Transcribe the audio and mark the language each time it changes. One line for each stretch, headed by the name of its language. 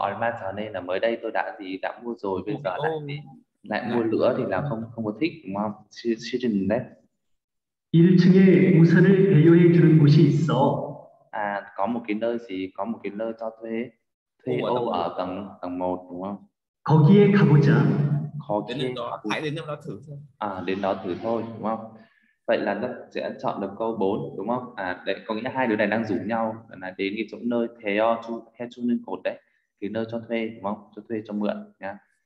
Vietnamese: Ở cho nên là mới đây tôi đã gì đã mua rồi, bây giờ lại ồ lại mua lại nữa thì là không không có thích đúng không? Chứ đấy.
Korean: 1층에 우산을 배려해 주는 곳이 있어.
Vietnamese: À, có một cái nơi gì, có một cái nơi cho thuê thuê
Korean: 맞아,
Vietnamese: ô
English: maybe.
Vietnamese: ở tầng tầng một đúng không?
Korean: 거기에 가보자.
Vietnamese: Khó Đến kia đến đó, hãy đến đó thử xem. à, đến đó thử thôi đúng không? Vậy là nó sẽ chọn được câu 4 đúng không? À đấy, có nghĩa là hai đứa này đang rủ nhau là đến cái chỗ nơi theo chung lên cột đấy, cái nơi cho thuê đúng không, cho thuê cho mượn nha.